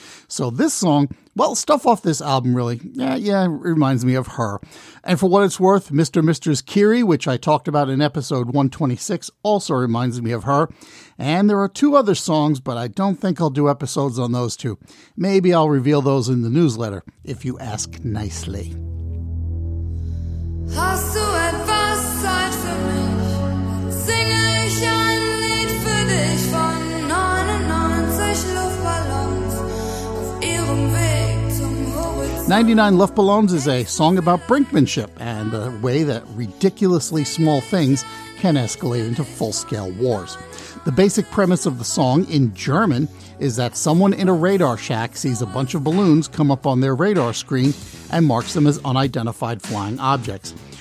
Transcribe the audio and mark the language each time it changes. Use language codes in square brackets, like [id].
[en] So this song, well, stuff off this album, really. Yeah, it reminds me of her. And for what it's worth, Mr. Mr.'s Kiri, which I talked about in episode 126, also reminds me of her. And there are two other songs, but I don't think I'll do episodes on those two. Maybe I'll reveal those in the newsletter, if you ask nicely. [de] Hast du etwas Zeit für mich? Singe ich ein Lied für dich von 99 Luftballons auf ihrem Weg zum Horizont. [en] 99 Luftballons is a song about brinkmanship and the way that ridiculously small things can escalate into full-scale wars. The basic premise of the song, in German, is that someone in a radar shack sees a bunch of balloons come up on their radar screen and marks them as unidentified flying objects.